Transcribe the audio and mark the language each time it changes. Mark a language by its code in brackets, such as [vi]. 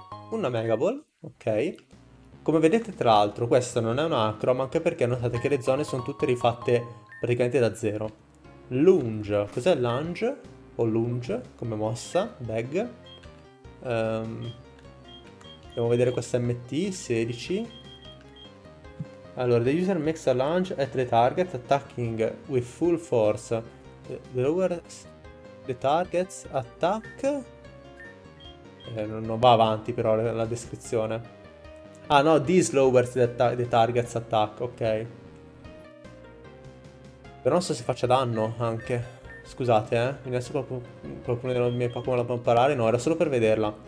[it] Una Megaball, ok. Come vedete, tra l'altro, questa non è una Acro, ma anche perché notate che le zone sono tutte rifatte praticamente da zero. Lunge, cos'è Lunge? O Lunge come mossa? Bag. Andiamo a vedere questa MT 16. [en] Allora, the user makes a lunge at the target, attacking with full force. The target's attack. [it] Non va avanti però la descrizione. Ah no, [en] this lowers the target's attack, [it] ok. Però non so se faccia danno anche. Scusate, eh. Adesso qualcuno dei miei Pokémon la può imparare. No, era solo per vederla.